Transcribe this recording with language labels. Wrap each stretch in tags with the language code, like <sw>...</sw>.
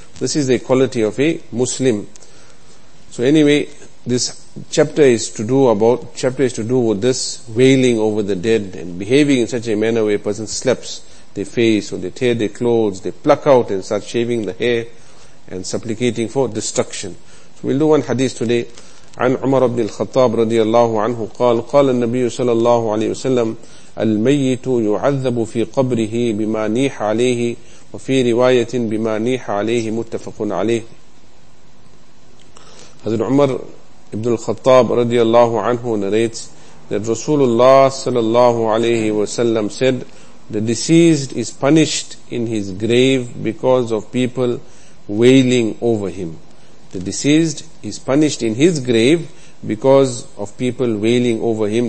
<en>This is the quality of a Muslim. So anyway, this chapter is to do with this, wailing over the dead and behaving in such a manner where a person slaps their face or they tear their clothes, they pluck out and start shaving the hair and supplicating for destruction. We'll do one hadith today.</en> <ar>عن عمر بن الخطاب رضي الله عنه قال قال النبي صلى الله عليه وسلم الميت يعذب في قبره بما نيح عليه وفي رواية بما نيح عليه متفق عليه.</ar> <en>حضرت عمر بن الخطاب رضي الله عنه narrates that Rasulullah صلى الله عليه وسلم said the deceased is punished in his grave because of people wailing over him. The deceased is punished in his grave because of people wailing over him.</en>